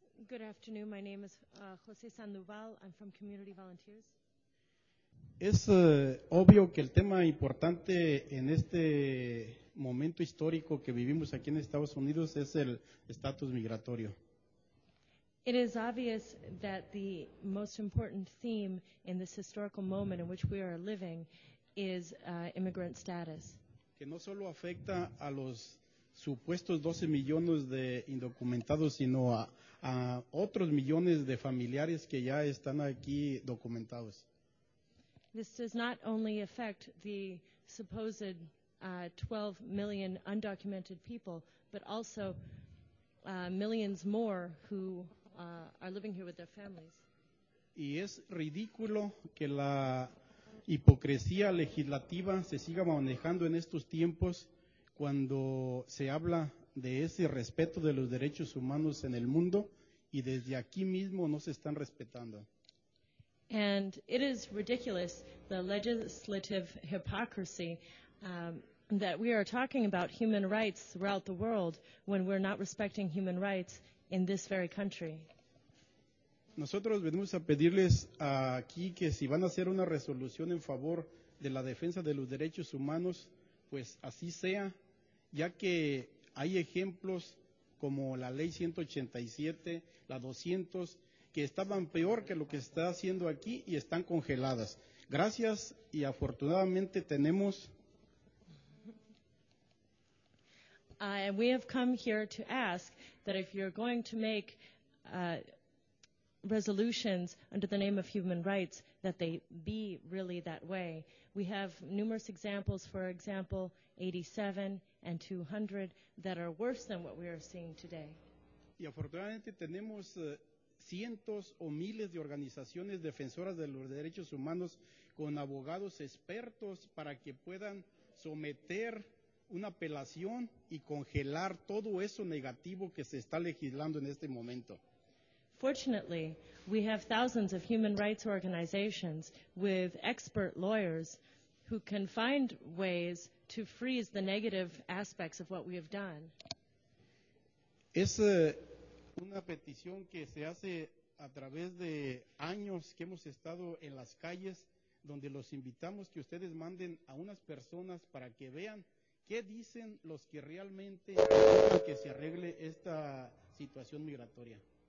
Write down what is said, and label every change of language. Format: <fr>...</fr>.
<en>Good afternoon. My name is José Sandoval. I'm from Community Volunteers.</en> <es>Es obvio que el tema importante en este momento histórico que vivimos aquí en Estados Unidos es el estatus migratorio.</es> <en>It is obvious that the most important theme in this historical moment in which we are living is immigrant status.</en> <es>Que no solo afecta a los supuestos 12 millones de indocumentados, sino a otros millones de familiares que ya están aquí documentados.</es> <en>This does not only affect the supposed 12 million undocumented people, but also millions more who are living here with their families.</en> <es>Y es ridículo que la hipocresía legislativa se siga manejando en estos tiempos cuando se habla de ese respeto de los derechos humanos en el mundo y desde aquí mismo no se están respetando.</es> <en>And it is ridiculous, the legislative hypocrisy that we are talking about human rights throughout the world when we're not respecting human rights in this very country.</en> <es>Nosotros venimos a pedirles aquí que si van a hacer una resolución en favor de la defensa de los derechos humanos, pues así sea, ya que hay ejemplos como la ley 187, la 200, que estaban peor que lo que está haciendo aquí y están congeladas. Gracias y afortunadamente tenemos.</es> <en>And we have come here to ask that if you're going to make resolutions under the name of human rights, that they be really that way. We have numerous examples, for example, 87 and 200, that are worse than what we are seeing today.</en> <es>Y afortunadamente tenemos cientos o miles de organizaciones defensoras de los derechos humanos con abogados expertos para que puedan someter una apelación y congelar todo eso negativo que se está legislando en este momento.</es> <en>Fortunately, we have thousands of human rights organizations with expert lawyers who can find ways to freeze the negative aspects of what we have done.</en> <es>Es una petición que se hace a través de años que hemos estado en las calles, donde los invitamos que ustedes manden a unas personas para que vean qué dicen los que realmente quieren que se arregle esta situación migratoria.</es>